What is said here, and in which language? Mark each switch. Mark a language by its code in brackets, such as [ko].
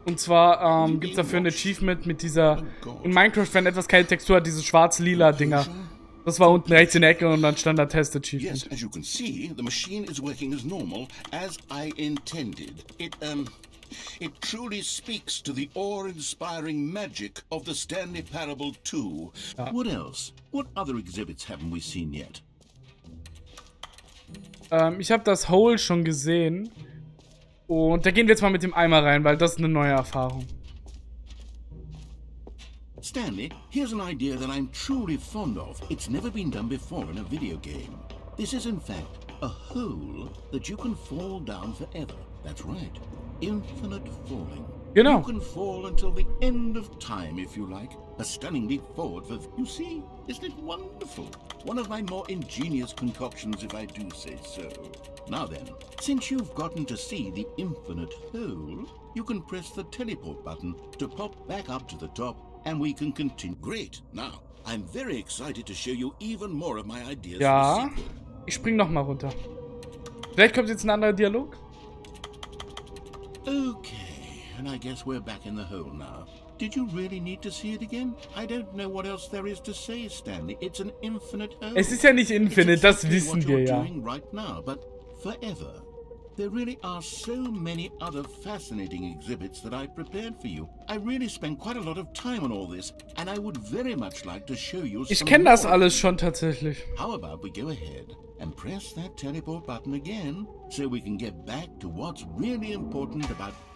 [de] Und zwar gibt's dafür ein Achievement mit dieser... Oh, in Minecraft, wenn etwas keine Textur hat, diese schwarz-lila Dinger. Das war unten rechts in der Ecke und dann stand da Test-Achievement. [en] Yes, as you can see, the machine is working as normal, as I intended. It truly speaks to the awe-inspiring magic of the Stanley Parable 2. Ja. What else? What other exhibits haven't we seen yet? [de] Ich habe das Hole schon gesehen. Und da gehen wir jetzt mal mit dem Eimer rein, weil das ist eine neue Erfahrung. [en] Stanley, here's an idea that I'm truly fond of. It's never been done before in a video game. This is in fact a hole that you can fall down forever. That's right. Infinite falling. [de] Genau. [en] You can fall until the end of time, if you like. A stunning leap forward for... You see? Isn't it wonderful? One of my more ingenious concoctions, if I do say so. Now then, since you've gotten to see the infinite hole, you can press the teleport button to pop back up to the top, and we can continue. Great. Now, I'm very excited to show you even more of my ideas. [de] Ja. Ich spring noch mal runter. Vielleicht kommt jetzt ein anderer Dialog. [en] Okay, and I guess we're back in the hole now. Did you really need to see it again? I don't know what else there is to say, Stanley. It's an infinite hole. [de] Es ist ja nicht infinite, das wissen wir ja. [en] Right now, but forever. There really are so many other fascinating exhibits that I prepared for you. I really spent quite a lot of time on all this, and I would very much like to show you [de] some. Ich kenne das alles schon tatsächlich. [en] How about we go ahead and press that teleport button again, so we can get back to what's really important about...